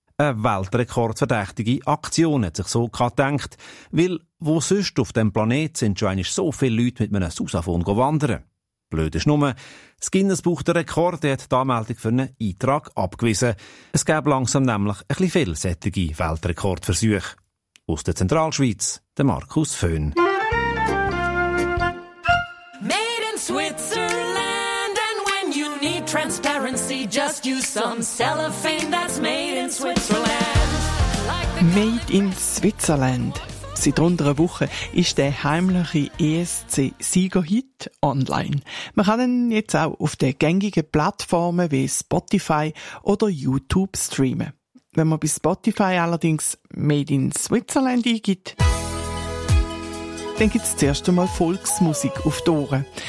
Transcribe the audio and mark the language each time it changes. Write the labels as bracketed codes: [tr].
[de] Eine weltrekordverdächtige Aktion hat sich so gedacht, weil wo sonst auf dem Planet sind schon einmal so viele Leute mit einem Sousaphon wandern. Blöd ist nur, das Guinness-Buch der Rekorde hat die Anmeldung für einen Eintrag abgewiesen. Es gäbe langsam nämlich ein bisschen viel sättige Weltrekordversuche. Aus der Zentralschweiz, der Markus Föhn. [en] Made in Switzerland, and when you need transparency, just use some cellophane that's made in Switzerland. Made in Switzerland. [de] Seit rund einer Woche ist der heimliche ESC-Siegerhit online. Man kann ihn jetzt auch auf den gängigen Plattformen wie Spotify oder YouTube streamen. Wenn man bei Spotify allerdings «Made in Switzerland» eingibt, dann gibt es zuerst einmal Volksmusik auf die Ohren.